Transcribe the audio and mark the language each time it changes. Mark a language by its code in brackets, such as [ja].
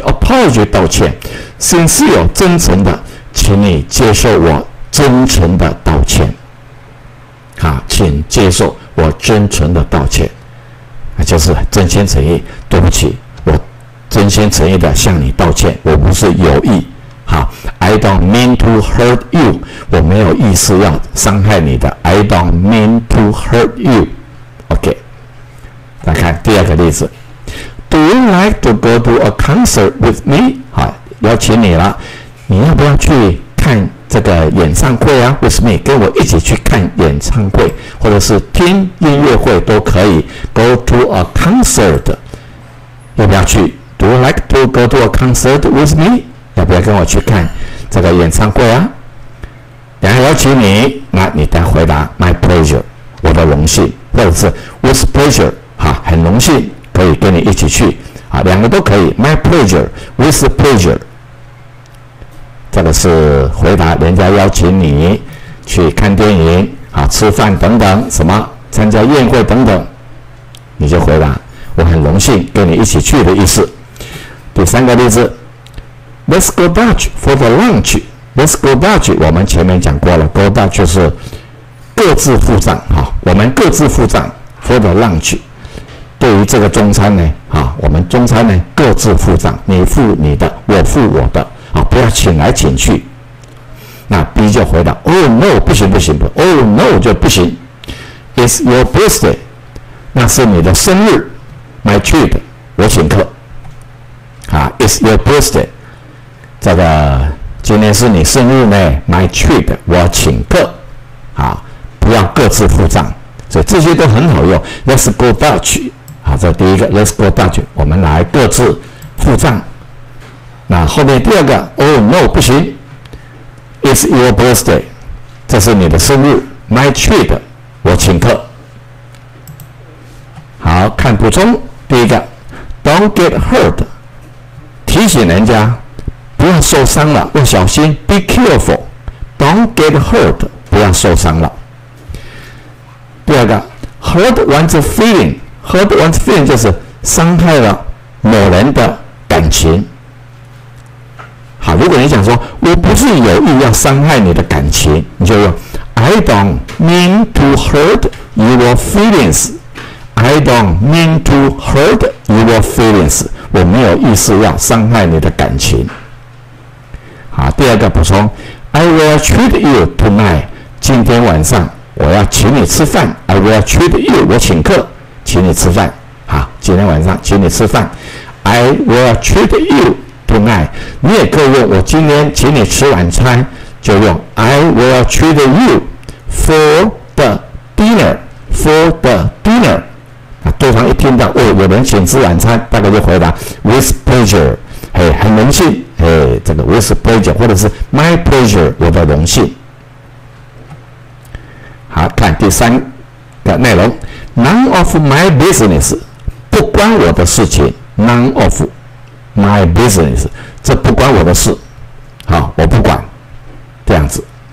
[zh] Apology 道歉 ，sincere 真诚的。请你接受我真诚的道歉，请接受我真诚的道歉，就是真心诚意，对不起，我心诚意的向你道歉，我不是有意。 [en] I don't mean to hurt you， [zh] 我没有意思要伤害你的。 [en] I don't mean to hurt you。 OK， [zh] 来看第二个例子。 [en] Do you like to go to a concert with me？ [zh] 好，邀请你了，你要不要去看这个演唱会啊 ？ [en] With me， [zh] 跟我一起去看演唱会，或者是听音乐会都可以。 [en] Go to a concert， [zh] 要不要去 [en] ？Do you like to go to a concert with me？ [zh] 要不要跟我去看这个演唱会啊？然后邀请你，那你再回答 [en] My pleasure， [zh] 我的荣幸，或者是 [en] With pleasure， [zh] 哈，很荣幸可以跟你一起去，啊，两个都可以 ，My pleasure， With pleasure， 这个是回答人家邀请你去看电影啊、吃饭等等，什么参加宴会等等，你就回答我很荣幸跟你一起去的意思。第三个例子。 [en] Let's go Dutch for the lunch. Let's go Dutch. [zh] 我们前面讲过了 ，go Dutch 是各自付账，哈，我们各自付账 [en] for the lunch. [zh] 对于这个中餐呢，哈，我们中餐呢各自付账，你付你的，我付我的，啊，不要请来请去。那 B 就回答 ， [en] Oh no， [zh] 不行不行不 ，Oh no 就不行。 [en] It's your birthday， [zh] 那是你的生日 ， [en] My treat， [zh] 我请客。 [en] 啊 ，It's your birthday。 [zh] 这个今天是你生日呢 ， [en] My treat， [zh] 我请客，啊，不要各自付账，所以这些都很好用。 [en] Let's go Dutch， [zh] 好，这第一个 ，Let's go Dutch， 我们来各自付账。那后面第二个 ，Oh no， 不行 ， [en] It's your birthday， [zh] 这是你的生日 ，My treat， 我请客。好看补充，第一个 ， [en] Don't get hurt， [zh] 提醒人家。不要受伤了，要小心。 [en] Be careful, don't get hurt. [zh] 不要受伤了。 [en] 第二个 ，hurt one's feeling. Hurt one's feeling [zh] 就是伤害了某人的感情。好，如果你想说我不是有意要伤害你的感情，你就用 [en] I don't mean to hurt your feelings. I don't mean to hurt your feelings. [zh] 我没有意思要伤害你的感情。好，第二个补充 [en] ，I will treat you tonight。 [zh] 今天晚上我要请你吃饭 ， [en] I will treat you， [zh] 我请客，请你吃饭。好，今天晚上请你吃饭 ， [en] I will treat you tonight。 [zh] 你也可以用我今天请你吃晚餐，就用 [en] I will treat you for the dinner， [zh] for the dinner。啊，对方一听到，哦，有人请吃晚餐，大概就回答 [en] with pleasure， [zh] 嘿，很荣幸。这个 with pleasure 或者是 [en] my pleasure， [zh] 我的荣幸。好，看第三个内容 ， [en] none of my business， [zh] 不关我的事情 ，none of my business， 这不关我的事，好，我不管，这样子。